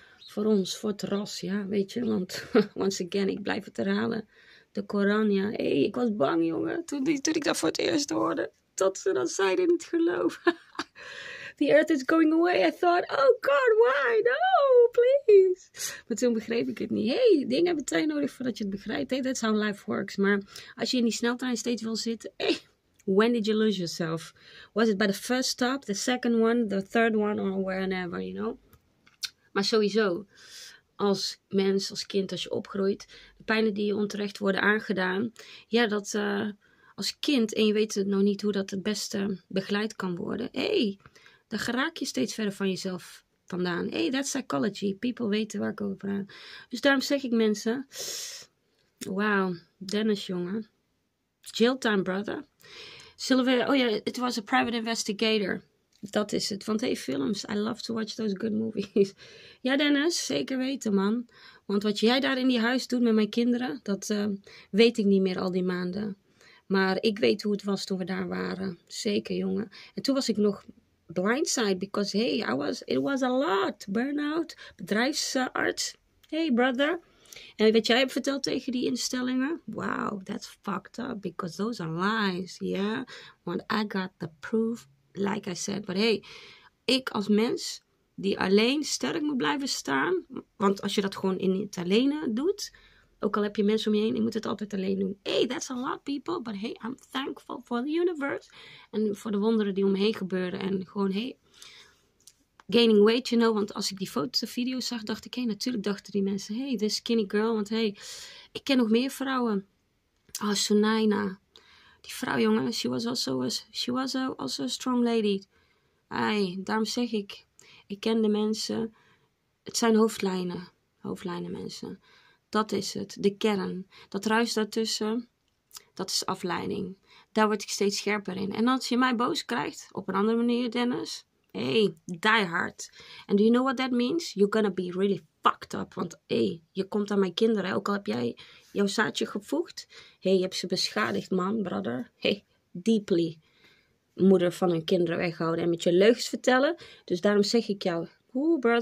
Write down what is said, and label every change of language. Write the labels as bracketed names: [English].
[Dutch] Voor ons, voor het ras, ja, weet je. Want, [English] once again, [Dutch] ik blijf het herhalen. De Koran, ja. Hé, ik was bang, jongen. Toen ik dat voor het eerst hoorde. Tot ze dat zeiden in het geloof. [English] The earth is going away. I thought, oh God, why? No, please. [Dutch] Maar toen begreep ik het niet. Hey, dingen hebben tijd nodig voordat je het begrijpt. Hey, [English] that's how life works. [Dutch] Maar als je in die sneltrein steeds wil zitten. [English] Hey, when did you lose yourself? Was it by the first stop, the second one, the third one, or wherever, you know? [Dutch] Maar sowieso, als mens, als kind, als je opgroeit. De pijnen die je onterecht worden aangedaan. Ja, dat als kind, en je weet het nog niet hoe dat het beste begeleid kan worden. Hey, dan geraak je steeds verder van jezelf vandaan. Hey, [English] that's psychology. [Dutch] People weten waar ik over praat. Dus daarom zeg ik mensen, wauw, Dennis jongen. [English] Jail time, brother. [Dutch] Zullen we, oh ja, yeah, [English] it was a private investigator. [Dutch] Dat is het. [English] Want hey, films, I love to watch those good movies. [Dutch] Ja, Dennis, zeker weten, man. Want wat jij daar in die huis doet met mijn kinderen, dat weet ik niet meer al die maanden. Maar ik weet hoe het was toen we daar waren. Zeker, jongen. En toen was ik nog [English] blindside, because hey, it was a lot. [Dutch] Burnout, bedrijfsarts. Hey, brother. En wat jij hebt verteld tegen die instellingen? [English] Wow, that's fucked up, because those are lies, yeah? Want I got the proof, like I said. But hey, [Dutch] ik als mens die alleen sterk moet blijven staan, want als je dat gewoon in het alleen doet, ook al heb je mensen om je heen, je moet het altijd alleen doen. [English] Hey, that's a lot, people. But hey, I'm thankful for the universe [Dutch] en voor de wonderen die om me heen gebeuren. En gewoon, hey, [English] gaining weight, you know, [Dutch] want als ik die foto's en video's zag, dacht ik, hé, hey, natuurlijk dachten die mensen, hey, [English] this skinny girl, [Dutch] want hey, ik ken nog meer vrouwen. [English] Oh, Sunaina, [Dutch] die vrouw, jongen, [English] she was also a strong lady. [Dutch] Ay, daarom zeg ik, ik ken de mensen, het zijn hoofdlijnen mensen. Dat is het, de kern. Dat ruis daartussen, dat is afleiding. Daar word ik steeds scherper in. En als je mij boos krijgt, op een andere manier, Dennis, hey, die hard. [English] And do you know what that means? You're gonna be really fucked up. [Dutch] Want hey, je komt aan mijn kinderen. Ook al heb jij jouw zaadje gevoegd. Hey, je hebt ze beschadigd, man, brother. Hey, deeply. Moeder van hun kinderen weghouden en met je leugens vertellen. Dus daarom zeg ik jou, oeh, brother.